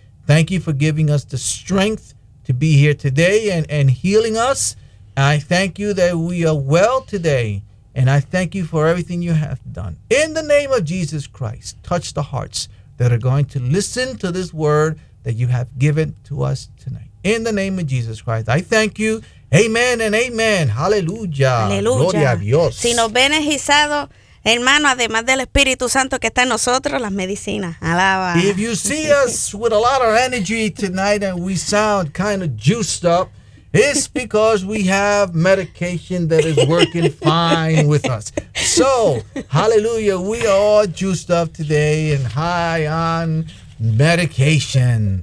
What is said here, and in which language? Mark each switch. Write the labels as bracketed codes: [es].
[en] Thank you for giving us the strength to be here today and healing us. I thank you that we are well today And I thank you for everything you have done. In the name of Jesus Christ, touch the hearts that are going to listen to this word that you have given to us tonight. In the name of Jesus Christ, I thank you. Amen and amen. Hallelujah. Hallelujah. [es] Gloria a Dios. Si nos benefició, hermano, además del Espíritu Santo que está en nosotros, las medicinas. Alaba. [en] If you see us with a lot of energy tonight and we sound kind of juiced up, it's because we have medication that is working fine with us. So, hallelujah, we are all juiced up today and high on medication.